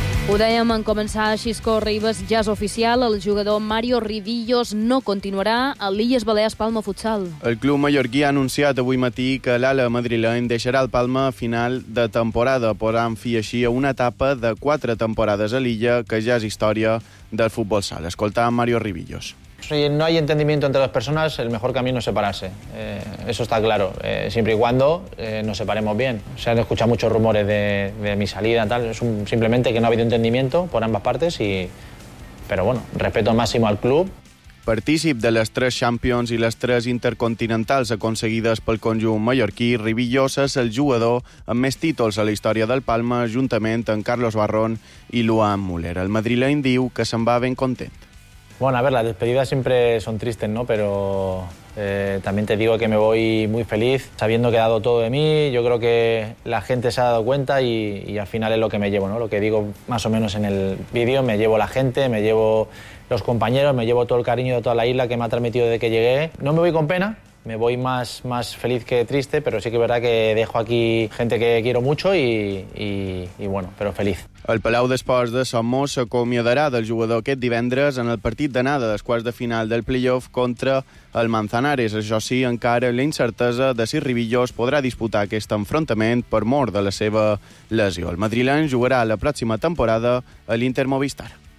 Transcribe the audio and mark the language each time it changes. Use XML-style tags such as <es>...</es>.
<ca>Ho dèiem en començar, Xisco Ribas ja és oficial. El jugador Mario Rivillos no continuarà a l'Illes Balears Palma Futsal. El club mallorquí ha anunciat avui matí que l'ala madrileny deixarà el Palma a final de temporada, posant fi així a una etapa de 4 temporades a l'illa, que ja és història del futbol sala. Escoltar Mario Rivillos.</ca> <es>Si no hay entendimiento entre las personas, el mejor camino es separarse. Eso está claro, siempre y cuando nos separemos bien. Se han escuchado muchos rumores de mi salida, tal. Simplemente que no ha habido entendimiento por ambas partes, pero bueno, respeto máximo al club.</es> <ca>Partícip de les 3 Champions i les 3 Intercontinentals aconseguides pel conjunt mallorquí, Rivillos és el jugador amb més títols a la història del Palma, juntament amb Carlos Barrón i Luan Müller. El madrileny diu que se'n va ben content.</ca> <es>Bueno, a ver, las despedidas siempre son tristes, ¿no? Pero también te digo que me voy muy feliz, sabiendo que he dado todo de mí. Yo creo que la gente se ha dado cuenta y al final es lo que me llevo, ¿no? Lo que digo más o menos en el vídeo, me llevo la gente, me llevo los compañeros, me llevo todo el cariño de toda la isla que me ha transmitido desde que llegué. No me voy con pena, Me voy más feliz que triste, pero sí que es verdad que dejo aquí gente que quiero mucho y bueno, pero feliz.</es> <ca>El Palau d'Esports de Somos s'acomiadarà del jugador aquest divendres en el partit d'anada dels quarts de final del play-off contra el Manzanares. Això sí, encara la incertesa de si Ribillos podrà disputar aquest enfrontament per mort de la seva lesió. El madrileny jugarà la pròxima temporada a l'Inter Movistar.</ca>